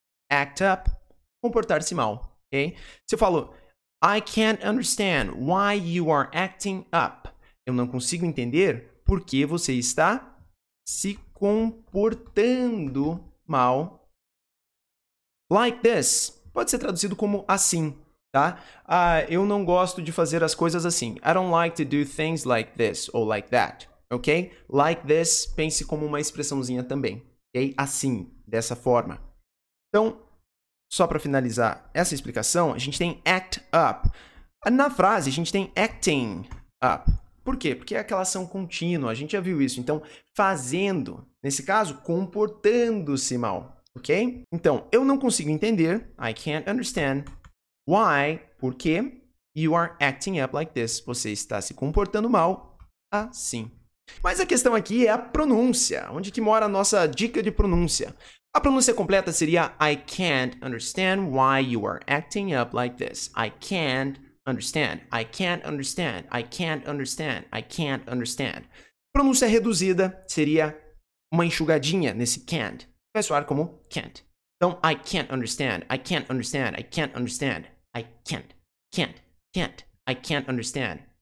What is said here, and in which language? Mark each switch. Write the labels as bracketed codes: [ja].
[en] Act up. [pt] Comportar-se mal. [en] Ok? [pt] Se eu falo, [en] I can't understand why you are acting up. [pt] Eu não consigo entender por que você está se comportando mal. [en] Like this. [pt] Pode ser traduzido como assim, tá? Ah, eu não gosto de fazer as coisas assim. [en] I don't like to do things like this or like that. [pt] Ok? [en] Like this, [pt] pense como uma expressãozinha também. Ok? Assim, dessa forma. Então, só para finalizar essa explicação, a gente tem act up. Na frase, a gente tem acting up. Por quê? Porque é aquela ação contínua, a gente já viu isso. Então, fazendo, nesse caso, comportando-se mal. Ok? Então, eu não consigo entender. [en] I can't understand why. [pt] Por quê? [en] You are acting up like this. [pt] Você está se comportando mal assim. Mas a questão aqui é a pronúncia. Onde que mora a nossa dica de pronúncia? A pronúncia completa seria [en] I can't understand why you are acting up like this. I can't understand. I can't understand. I can't understand. I can't understand. [pt] Pronúncia reduzida seria uma enxugadinha nesse can't. Vai soar como can't. [en] Então, I can't understand, I can't understand, I can't understand, I can't, can't, can't, I can't understand.